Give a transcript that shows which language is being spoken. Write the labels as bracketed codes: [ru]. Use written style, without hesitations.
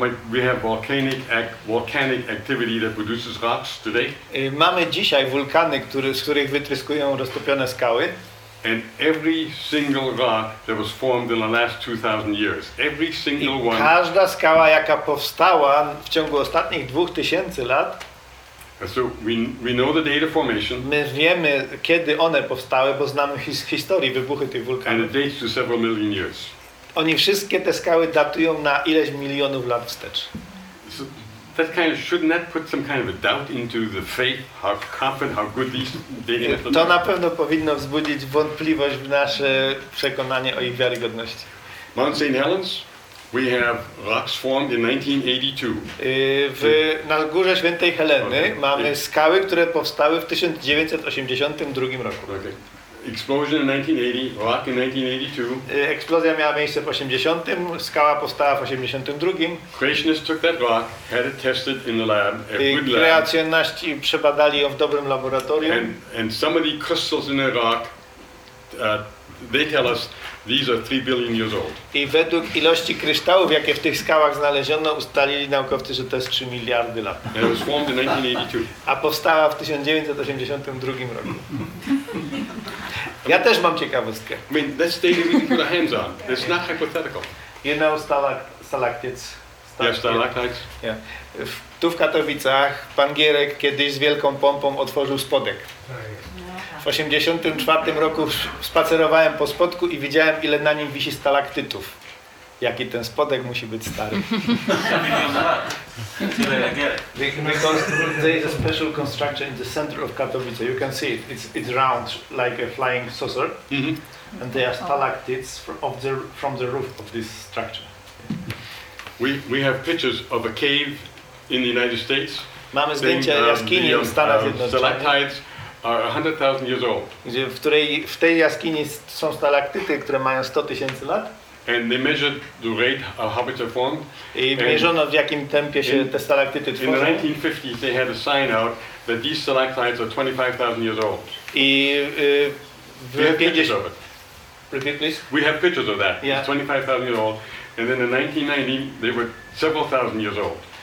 [en] We have volcanic activity that produces rocks today. [pl] Mamy dzisiaj wulkany, z których wytryskują roztopione skały. [en] And every single rock that was formed in the last 2,000 years, every single one. [pl] Każda skała, jaka powstała w ciągu ostatnich 2000 lat. [en] So we know the date of formation. [pl] My wiemy, kiedy one powstały, bo znamy historię wybuchy tych wulkanów. [en] And it dates to several million years. [pl] Oni wszystkie te skały datują na ileś milionów lat wstecz. [en] So that kind of, shouldn't that put some kind of a doubt into the faith, how confident, how good these dating methods? [pl] To na pewno powinno wzbudzić wątpliwość w nasze przekonanie o ich wiarygodności. [en] Mount St. Helens, we have rocks formed in 1982. [pl] Na górze Świętej Heleny mamy skały, które powstały w 1982 roku. [en] Okay. Explosion in 1980, rock in 1982. [pl] Eksplozja miała miejsce w 80, skała powstała w 82. [en] Creationists took that rock, had it tested in the lab, a good lab. [pl] Kreacjoniści przebadali ją w dobrym laboratorium. [en] And some of the crystals in the rock, they tell us these are 3 billion years old. [pl] I według ilości kryształów, jakie w tych skałach znaleziono, ustalili naukowcy, że to jest 3 miliardy lat. [en] And it was formed in 1982. [pl] A powstała w 1982 roku. Ja też mam ciekawostkę. [en] I mean, that's data we can put our hands on. It's not hypothetical. You know stalactites? Yes, stalactites. Yeah. [pl] Tu w Katowicach pan Gierek kiedyś z wielką pompą otworzył spodek. W 84 roku spacerowałem po spodku i widziałem, ile na nim wisi stalaktytów. jaki ten spodek musi być stary. 3 miliony lat. [en] There is a special construction in the center of Katowice. You can see it. It's round like a flying saucer. Mm-hmm. And there are stalactites from the roof of this structure. We have pictures of a cave in the United States. [pl] Mamy zdjęcia jaskini w Stanach Zjednoczonych. [en] Stalactites are 100,000 years old. [pl] Gdzie w tej jaskini są stalaktyty, które mają 100 tysięcy lat. [en] And they measured the rate of how it formed. [pl] I mierzono, w jakim tempie się te stalaktyty tworzą. [en] In the 1950s they had a sign out that these stalactites are 25,000 years old. [pl] I [en] Repeat, please. We have pictures of that. Yeah. It's 25,000 years old. And then in 1990, they were several thousand years old.